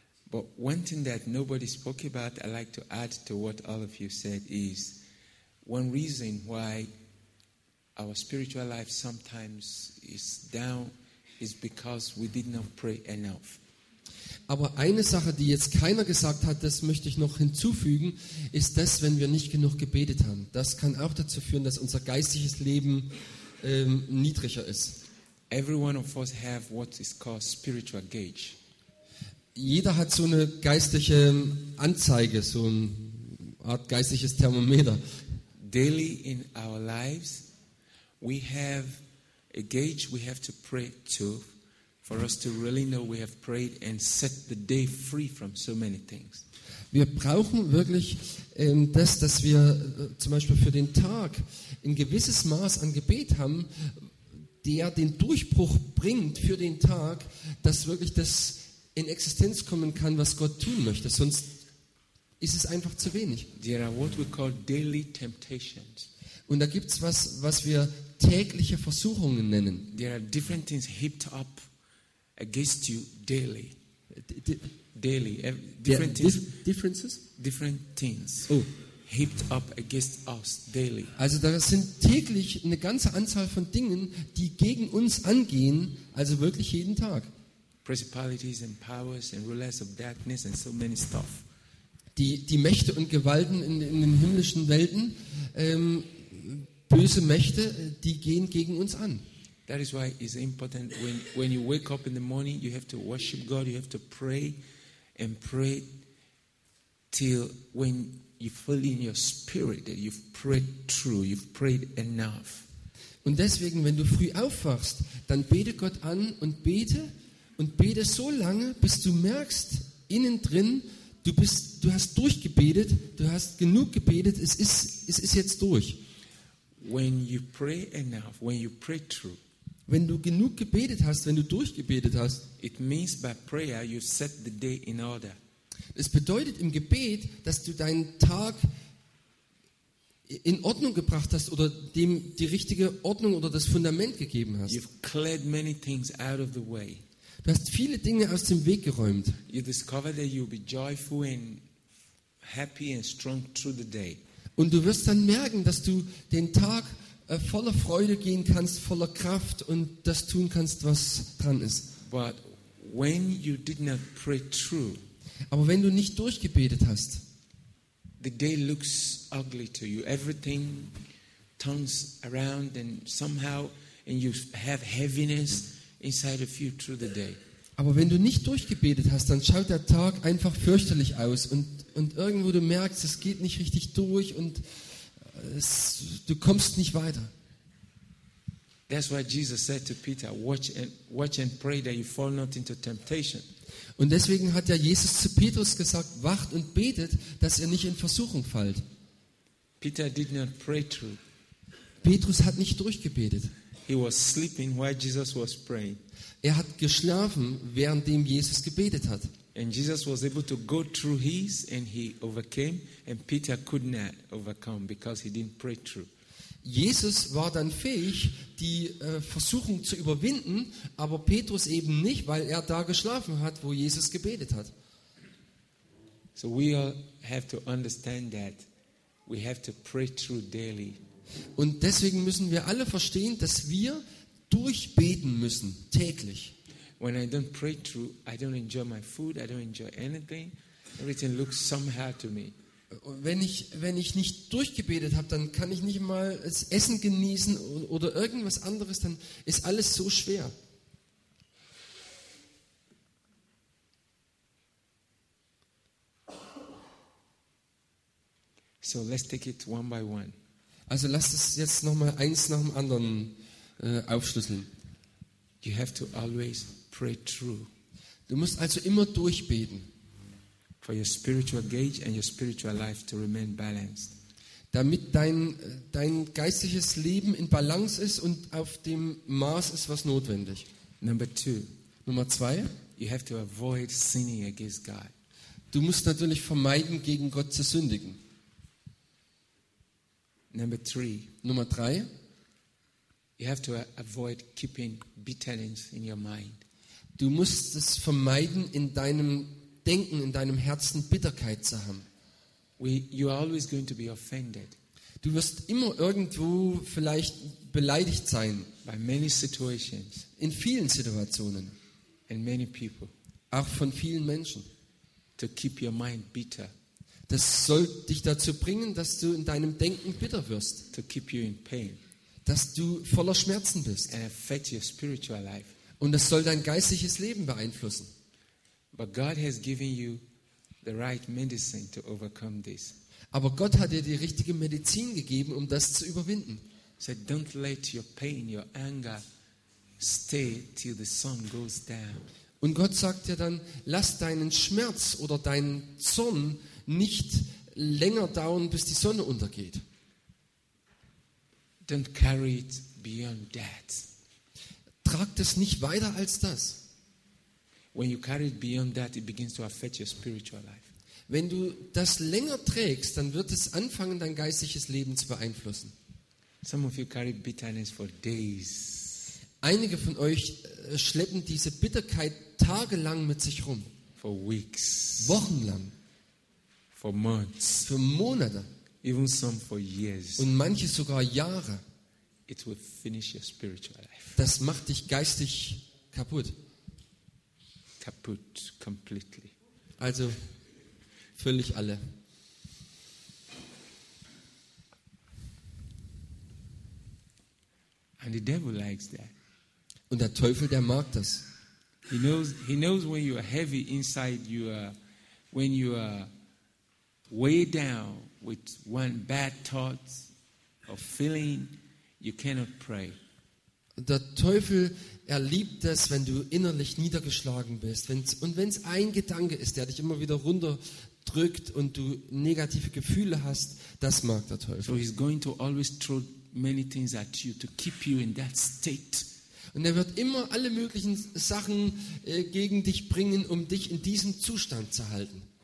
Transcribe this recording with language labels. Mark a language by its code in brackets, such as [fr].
[en] But one thing that nobody spoke about, I like to add to what all of you said, is one reason why our spiritual life sometimes is down is because we did not pray enough. [de] Aber eine Sache, die jetzt keiner gesagt hat, das möchte ich noch hinzufügen, ist das, wenn wir nicht genug gebetet haben. Das kann auch dazu führen, dass unser geistliches Leben niedriger ist. [en] Every one of us have what is called spiritual gauge. [de] Jeder hat so eine geistliche Anzeige, so eine Art geistliches Thermometer. [en] Daily in our lives, we have a gauge we have to pray to, for us to really know we have prayed and set the day free from so many things. [de] Wir brauchen wirklich das, dass wir zum Beispiel für den Tag ein gewisses Maß an Gebet haben, der den Durchbruch bringt für den Tag, dass wirklich das in Existenz kommen kann, was Gott tun möchte. Sonst ist es einfach zu wenig. [en] There are what we call daily temptations. [de] Und da gibt's was, was wir tägliche Versuchungen nennen. [en] There are different things heaped up against you daily. Daily. Different things. Differences? Different things. Oh. Heaped up against us daily. [de] Also da sind täglich eine ganze Anzahl von Dingen, die gegen uns angehen, also wirklich jeden Tag. [en] Principalities and powers and rulers of darkness and so many stuff. [de] Die Mächte und Gewalten in den himmlischen Welten, böse Mächte, die gehen gegen uns an. [en] That is why it's important when you wake up in the morning, you have to worship God, you have to pray and pray till when you feel in your spirit that you've prayed true, you've prayed enough. [de] Und deswegen, wenn du früh aufwachst, dann bete Gott an und bete so lange, bis du merkst, innen drin, du hast durchgebetet, du hast genug gebetet, es ist jetzt durch. [en] When you pray enough, when you pray true. [de] Wenn du genug gebetet hast, wenn du durchgebetet hast, [en] it means by prayer you set the day in order. [de] Es bedeutet im Gebet, dass du deinen Tag in Ordnung gebracht hast oder dem die richtige Ordnung oder das Fundament gegeben hast. [en] You've cleared many things out of the way. [de] Du hast viele Dinge aus dem Weg geräumt. [en] You discover that you'll be joyful and happy and strong through the day. [de] Und du wirst dann merken, dass du den Tag voller Freude gehen kannst, voller Kraft und das tun kannst, was dran ist. [en] But when you did not pray true, [de] aber wenn du nicht durchgebetet hast, [en] the day looks ugly to you. Everything turns around and somehow and you have heaviness inside of you through the day. [de] Aber wenn du nicht durchgebetet hast, dann schaut der Tag einfach fürchterlich aus und irgendwo du merkst, es geht nicht richtig durch und du kommst nicht weiter. [en] That's why Jesus said to Peter, watch and pray that you fall not into temptation. [de] Und deswegen hat ja Jesus zu Petrus gesagt, wacht und betet, dass ihr nicht in Versuchung fallt. [en] Peter did not pray true. [de] Petrus hat nicht durchgebetet. [en] He was sleeping while Jesus was praying. [de] Er hat geschlafen, währenddem Jesus gebetet hat. [en] And Jesus was able to go through his and he overcame and Peter could not overcome because he didn't pray true. [de] Jesus war dann fähig, die Versuchung zu überwinden, aber Petrus eben nicht, weil er da geschlafen hat, wo Jesus gebetet hat. [en] So we all have to understand that we have to pray true daily. [de] Und deswegen müssen wir alle verstehen, dass wir durchbeten müssen täglich. [en] When I don't pray through, I don't enjoy my food, I don't enjoy anything. Everything looks somehow to me. [de] Wenn ich nicht durchgebetet habe, dann kann ich nicht mal das Essen genießen oder irgendwas anderes, dann ist alles so schwer. [en] So let's take it one by one. [de] Also lasst es jetzt noch mal eins nach dem anderen aufschlüsseln. [en] You have to always pray true. [de] Du musst also immer durchbeten. [en] For your spiritual gauge and your spiritual life to remain balanced. [de] Damit dein geistliches Leben in Balance ist und auf dem Maß ist, was notwendig. [en] Number two. [de] Nummer zwei. [en] You have to avoid sinning against God. [de] Du musst natürlich vermeiden, gegen Gott zu sündigen. [en] Number three. [de] Nummer drei. [en] You have to avoid keeping bitterness in your mind. [de] Du musst es vermeiden, in deinem Denken, in deinem Herzen Bitterkeit zu haben. [en] You are always going to be offended. [de] Du wirst immer irgendwo vielleicht beleidigt sein. [en] By many situations. [de] In vielen Situationen. [en] And many people. [de] Auch von vielen Menschen. [en] To keep your mind bitter. [de] Das soll dich dazu bringen, dass du in deinem Denken bitter wirst. [en] To keep you in pain. [de] Dass du voller Schmerzen bist. [en] And affect your spiritual life. [de] Und das soll dein geistliches Leben beeinflussen. [en] But God has given you the right medicine to overcome this. [de] Aber Gott hat dir die richtige Medizin gegeben, um das zu überwinden. [en] So don't let your pain, your anger stay till the sun goes down. [de] Und Gott sagt dir dann, lass deinen Schmerz oder deinen Zorn nicht länger dauern, bis die Sonne untergeht. [en] Don't carry it beyond that. [de] Tragt es nicht weiter als das. [en] When you carry it beyond that, it begins to affect your spiritual life. [de] Wenn du das länger trägst, dann wird es anfangen, dein geistliches Leben zu beeinflussen. [en] Some of you carry bitterness for days. [de] Einige von euch schleppen diese Bitterkeit tagelang mit sich rum. [en] For weeks. [de] Wochenlang. [en] For months. [de] Für Monate. [en] Even some for years. [de] Und manche sogar Jahre. [en] It will finish your spiritual life. [de] Das macht dich geistig kaputt. [en] Kaputt, completely. [de] Also, völlig alle. [en] And the devil likes that. [de] Und der Teufel, der mag das. [en] He knows when you are heavy inside, you are when you are weighed down with one bad thought or feeling, you cannot pray. [de] Der Teufel, er liebt das, wenn du innerlich niedergeschlagen bist, wenn es ein Gedanke ist, der dich immer wieder runterdrückt und du negative Gefühle hast, das mag der Teufel. [en] So he's going to always throw many things at you to keep you in that state. [de] Und er wird immer alle möglichen Sachen gegen dich bringen, um dich in diesem Zustand zu halten.